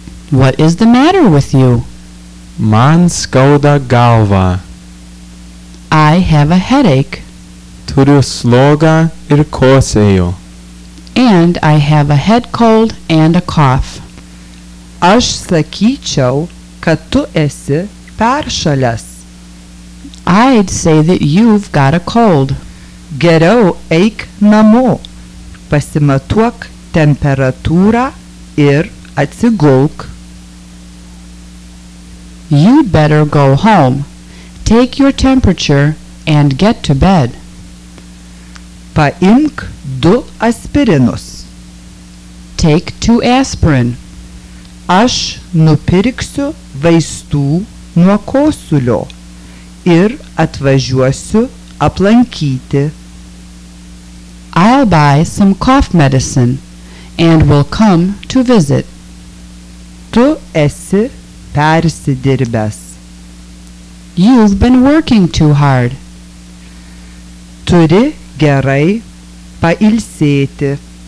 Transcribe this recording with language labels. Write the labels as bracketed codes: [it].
[en] What is the matter with you? [lt] Man skauda galva. [en] I have a headache. [lt] Turiu slogą ir kosėju. [en] And I have a head cold and a cough. [lt] Aš sakyčiau, kad tu esi peršalęs. [en] I'd say that you've got a cold. [lt] Geriau eik namo. Pasimatuok temperatūrą ir atsigulk. [en] You'd better go home. Take your temperature and get to bed. [lt] Paimk du aspirinus. [en] Take two aspirin. [lt] Aš nupirksiu vaistų nuo kosulio ir atvažiuosiu aplankyti. [en] I'll buy some cough medicine and will come to visit. [lt] Tu esi persidirbęs. [en] You've been working too hard. [lt] Turi gerai pailsėti.